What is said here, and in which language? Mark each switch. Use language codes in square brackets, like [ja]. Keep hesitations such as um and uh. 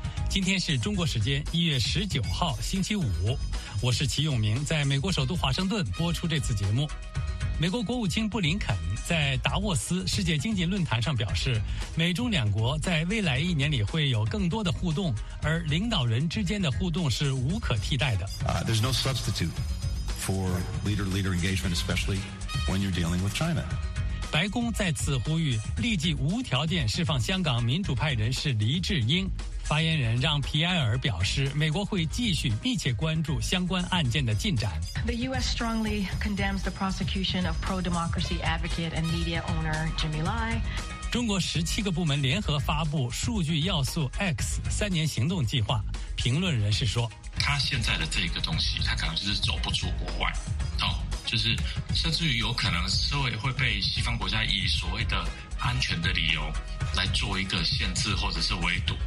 [zh] 今天是中国时间一月十九号星期五，我是齐永明，在美国首都华盛顿播出这次节目。美国国务卿布林肯在达沃斯世界经济论坛上表示，美中两国在未来一年里会有更多的互动，而领导人之间的互动是无可替代的。 [en] Uh, There's no substitute for leader leader engagement, especially when you're dealing with China。 [zh] 白宫再次呼吁立即无条件释放香港民主派人士黎智英。发言人让皮埃尔表示，美国会继续密切关注相关案件的进展。 [en] The U.S. strongly condemns the prosecution of pro-democracy advocate and media owner Jimmy Lai。 [zh] 中国十七个部门联合发布《数据要素 X 三年行动计划》，评论人士说，他现在的这个东西，他可能就是走不出国外。哦。就是，甚至于有可能，社会会被西方国家以所谓的安全的理由，来做一个限制或者是围堵。